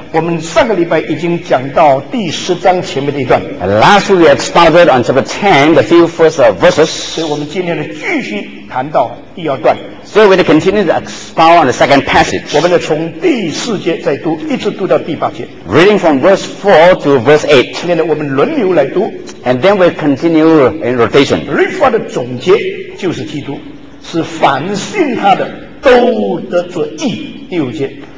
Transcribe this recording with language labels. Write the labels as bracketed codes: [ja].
[zh] 我们上个礼拜已经讲到第十章前面的一段。 [en] And、last week we had started on chapter 10, the few first verses。 [zh] 所以我们今天呢继续谈到第二段。 [en] So we continue to expound on the second passage。 [zh] 我们呢从第四节再读，一直读到第八节。 [en] Reading from verse 4 to verse 8。 [zh] 今天呢我们轮流来读。 [en] And then we continue in rotation。 [zh] Refa 的总结就是基督，是凡信他的都得着义。第五节。